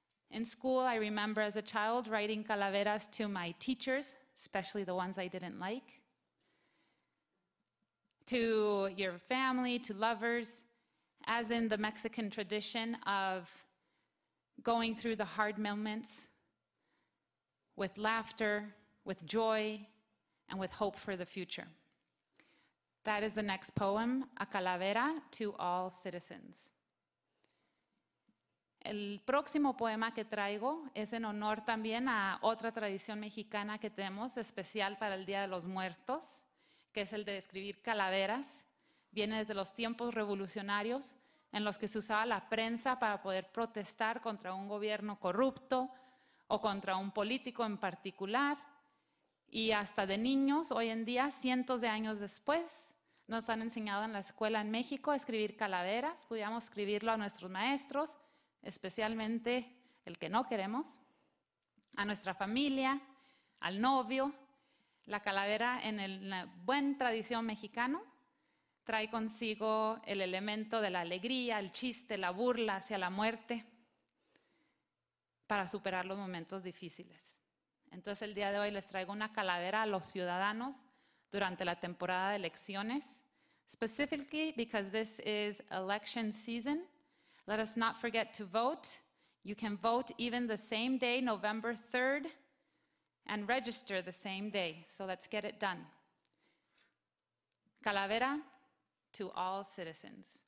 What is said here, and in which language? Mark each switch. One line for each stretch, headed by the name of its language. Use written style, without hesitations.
English: In school, I remember as a child writing calaveras to my teachers, especially the ones I didn't like, to your family, to lovers, as in the Mexican tradition of going through the hard moments with laughter, with joy, and with hope for the future. That is the next poem, A Calavera to All Citizens.
Spanish: El próximo poema que traigo es en honor también a otra tradición mexicana que tenemos especial para el Día de los Muertos, que es el de escribir calaveras. Viene desde los tiempos revolucionarios, en los que se usaba la prensa para poder protestar contra un gobierno corrupto o contra un político en particular. Y hasta de niños, hoy en día, cientos de años después, nos han enseñado en la escuela en México a escribir calaveras. Podíamos escribirlo a nuestros maestros, especialmente el que no queremos, a nuestra familia, al novio. La calavera en la buena tradición mexicana trae consigo el elemento de la alegría, el chiste, la burla hacia la muerte para superar los momentos difíciles. Entonces, el día de hoy les traigo una calavera a los ciudadanos durante la temporada de elecciones.
English: Specifically, because this is election season, let us not forget to vote. You can vote even the same day, November 3rd, and register the same day. So let's get it done. Calavera to all citizens.